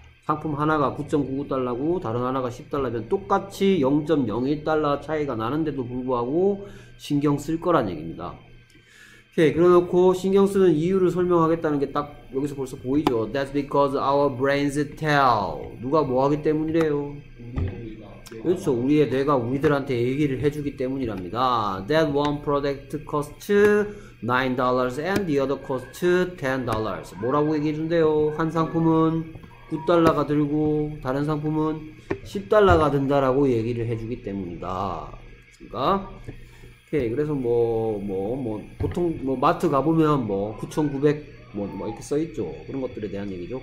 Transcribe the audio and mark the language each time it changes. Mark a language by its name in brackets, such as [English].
[Korean] 상품 하나가 9.99달러고 다른 하나가 10달러면 똑같이 0.01달러 차이가 나는데도 불구하고 신경 쓸 거란 얘기입니다. 오케이, 그래놓고 신경 쓰는 이유를 설명하겠다는 게딱 여기서 벌써 보이죠? [English] That's because our brains tell. [Korean] 누가 뭐 하기 때문이래요? 그렇죠. 우리의 뇌가 우리들한테 얘기를 해주기 때문이랍니다. [English] That one product costs $9 and the other costs $10. [Korean] 뭐라고 얘기해준대요? 한 상품은 9달러가 들고 다른 상품은 10달러가 든다라고 얘기를 해주기 때문이다. 그러니까 오케이. 그래서 보통 뭐 마트 가보면 뭐9,900뭐 이렇게 써 있죠. 그런 것들에 대한 얘기죠.